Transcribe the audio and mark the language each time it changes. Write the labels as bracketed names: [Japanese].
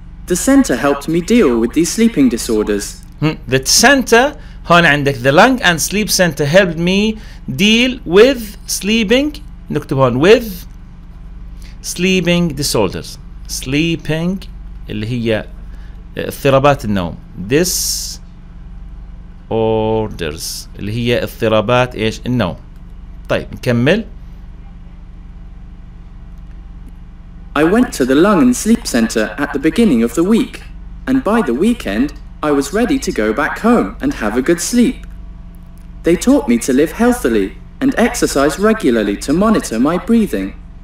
[English] The center helped me deal with these sleeping disorders. The center [Arabic] هون عندك [English] the lung and sleep center helped me deal with sleeping. [Arabic] نكتب هون [English] with sleeping disorders. [Arabic] Sleeping اللي هي اضطرابات النوم. Disorders اللي هي اضطرابات ايش النوم. طيب نكمل. [English] I went to the lung and sleep center at the beginning of the week, and by the weekend, I was ready to go back home and have a good sleep. They taught me to live healthily and exercise regularly to monitor my breathing.